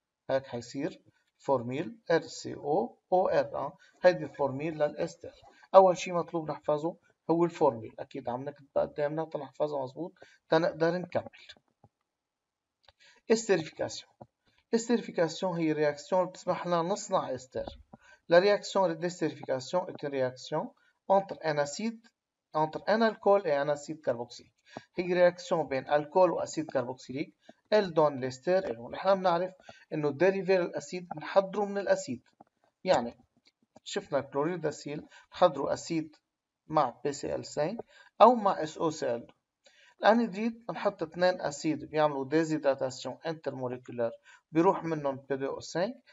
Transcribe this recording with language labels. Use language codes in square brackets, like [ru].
[ar] هيك حيصير فورميل RCO OR، هيدي فورميل للاستر. اول شيء مطلوب نحفظه هو الفورميل، اكيد عم نكتب قدامنا تنحفظه مزبوط تنقدر نكمل. استريفيكاسيون، استريفيكاسيون هي رياكسيون بتسمح لنا نصنع استر. [fr] La réaction de désterification est une réaction entre un acide, entre un alcool et un acide carboxylique. [ar] هي réaction بين الكول واسيد كربوكسيليك. [fr] Elle donne l'ester. [ar] نحن بنعرف انه الديريفي للاسيد بنحضره من الاسيد. يعني شفنا كلوريد اسيل بنحضره اسيد مع BCL5 او مع SOCl2. الانيدريد بنحط اثنين اسيد بيعملوا ديزيداتاسيون انتر موليكولار بيروح منهم P2O5.